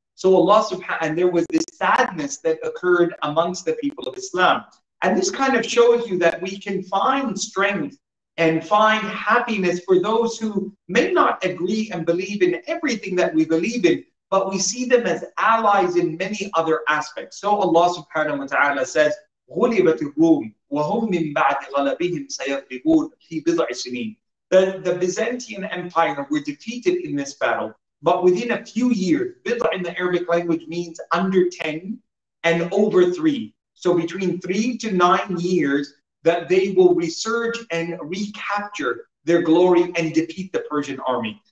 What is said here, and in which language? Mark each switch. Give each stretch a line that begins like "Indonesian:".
English: So Allah subhanahu, and there was this sadness that occurred amongst the people of Islam. And this kind of shows you that we can find strength and find happiness for those who may not agree and believe in everything that we believe in, but we see them as allies in many other aspects. So Allah subhanahu wa ta'ala says,
Arabic: غُلِبَتِ الرُّومِ وَهُمْ مِنْ بَعْدِ غَلَبِهِمْ سَيَغْلِبُونَ فِي بِضْعِ سِنِينَ.
English: That the Byzantine Empire were defeated in this battle, but within a few years, bid' in the Arabic language means under 10 and over 3. So between 3 to 9 years, that they will resurge and recapture their glory and defeat the Persian army.